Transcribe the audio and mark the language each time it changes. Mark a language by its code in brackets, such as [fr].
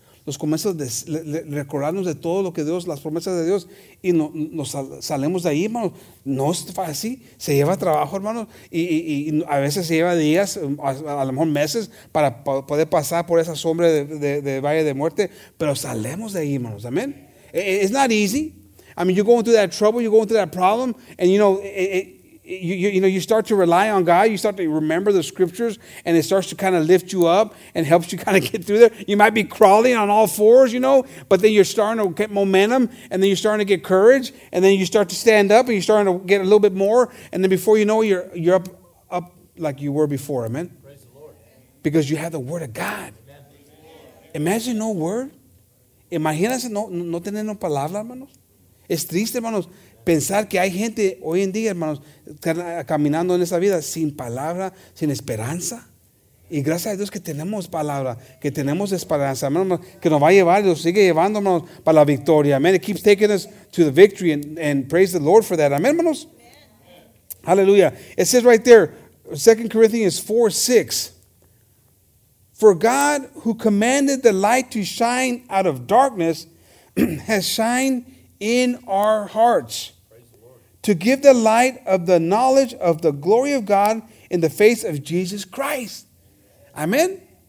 [es] Nos comienza a recordarnos de todo lo que Dios, las promesas de Dios, y nos salemos de ahí, hermanos. No es fácil, se lleva trabajo, hermanos, y a veces se lleva días, a lo mejor meses, para poder pasar por esa sombra de valle de muerte, pero salemos de ahí, hermanos, amén. [en] It's not easy. I mean, you're going through that trouble, you're going through that problem, and you know, you start to rely on God. You start to remember the scriptures, and it starts to kind of lift you up and helps you kind of get through there. You might be crawling on all fours, you know, but then you're starting to get momentum, and then you're starting to get courage, and then you start to stand up, and you're starting to get a little bit more, and then before you know it, you're up like you were before. Amen? Praise the Lord. Because you have the Word of God. Imagine no Word. [es] Imagínense no tener una palabra, hermanos. Es triste, hermanos. Pensar que hay gente hoy en día, hermanos, caminando en esa vida sin palabra, sin esperanza. Y gracias a Dios que tenemos palabra, que tenemos esperanza, hermanos, que nos va a llevar y nos sigue llevando, hermanos, para la victoria. [en] Amen. It keeps taking us to the victory and praise the Lord for that. Amen, hermanos. Hallelujah. It says right there, 2 Corinthians 4:6. For God who commanded the light to shine out of darkness has shined in our hearts, to give the light of the knowledge of the glory of God in the face of Jesus Christ. Amen.